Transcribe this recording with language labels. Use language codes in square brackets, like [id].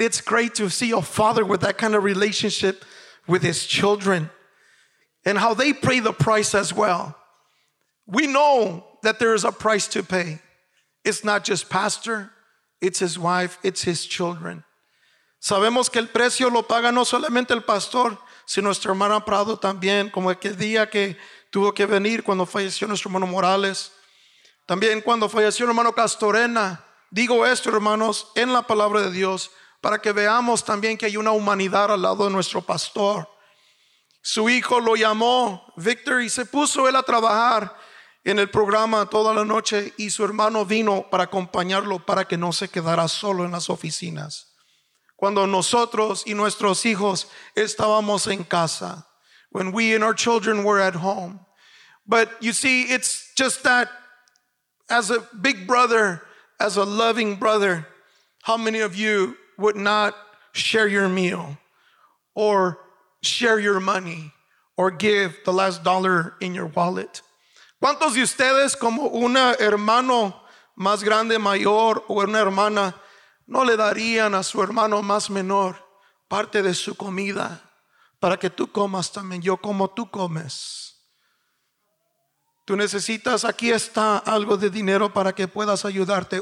[en] It's great to see a father with that kind of relationship with his children and how they pay the price as well. We know that there is a price to pay. It's not just pastor, it's his wife, it's his children. [es] Sabemos que el precio lo paga no solamente el pastor, sino nuestra hermana Prado también, como aquel día que tuvo que venir cuando falleció nuestro hermano Morales. También cuando falleció el hermano Castorena, digo esto, hermanos, en la palabra de Dios, para que veamos también que hay una humanidad al lado de nuestro pastor. Su hijo lo llamó, Victor, y se puso él a trabajar en el programa toda la noche, y su hermano vino para acompañarlo para que no se quedara solo en las oficinas. Cuando nosotros y nuestros hijos estábamos en casa, [en] when we and our children were at home. But you see, it's just that, as a big brother, as a loving brother, how many of you would not share your meal or share your money or give the last dollar in your wallet? [es] ¿Cuántos de ustedes, como un hermano más grande, mayor, o una hermana, no le darían a su hermano más menor parte de su comida para que tú comas también? Yo como, tú comes. Tú necesitas, aquí está algo de dinero para que puedas ayudarte.